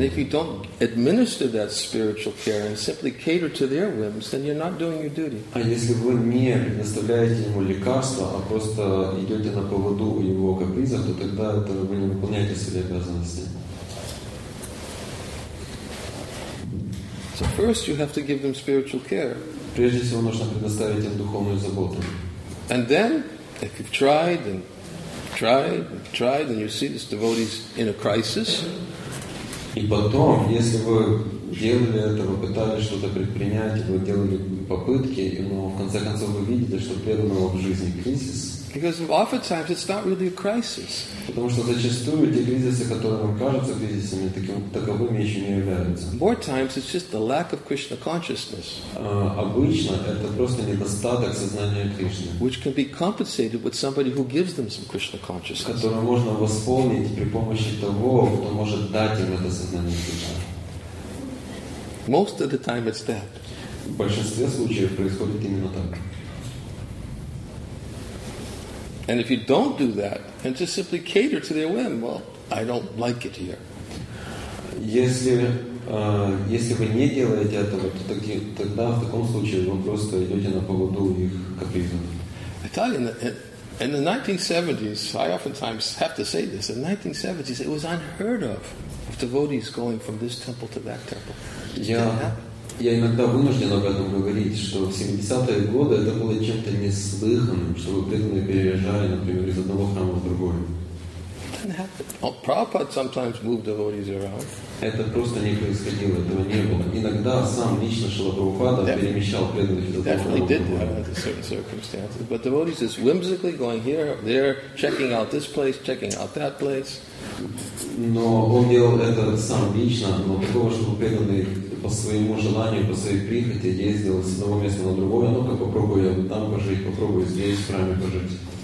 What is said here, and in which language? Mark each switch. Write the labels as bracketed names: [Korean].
[English] And if you don't administer that spiritual care and simply cater to their whims, then you're not doing your duty. [Russian] А если вы не предоставляете ему лекарства, а просто идете на поводу у его капризов, то тогда это вы не выполняете свои обязанности. [English] So first you have to give them spiritual care. [Russian] Прежде всего нужно предоставить им духовную заботу. [English] And then, if you've tried and tried and tried, and you see this devotee's in a crisis, [Russian] И потом, если вы делали это, вы пытались что-то предпринять, вы делали попытки, но в конце концов вы видите, что преданного в жизни кризис. [English] Because oftentimes it's not really a crisis. [Russian] Потому что зачастую те кризисы, которые нам кажутся кризисами, таковыми еще не являются. [English] More times it's just the lack of Krishna consciousness. [Russian] Обычно это просто недостаток сознания Кришны. [English] Which can be compensated with somebody who gives them some Krishna consciousness. [Russian] Которое можно восполнить при помощи того, кто может дать им это сознание Кришны. [English] Most of the time it's that. [Russian] В большинстве случаев происходит именно так. [English] And if you don't do that, and just simply cater to their whim, well, I don't like it here. [Russian] Если вы не делаете этого, то тогда в таком случае вы просто идете на поводу их капризов. [English] I tell you, in the 1970s, I oftentimes have to say this, in the 1970s, it was unheard of devotees going from this temple to that temple. [Russian] Я иногда вынужден об этом говорить, что в 70-е годы это было чем-то неслыханным, чтобы преданные переезжали, например, из одного храма в другой. [English] Prabhupada sometimes moved devotees around. [Russian] Это просто не происходило, этого не было. Иногда сам лично Шрила Прабхупада перемещал преданных из одного храма в другой. [English] Definitely did that under certain circumstances. But devotees just whimsically going here, there, checking out this place, checking out that place. [Russian] Но он делал это сам лично, но такого, чтобы преданные по своему желанию, по своей прихоти ездил с одного места на другое, ну-ка попробую там пожить, попробую здесь в храме пожить.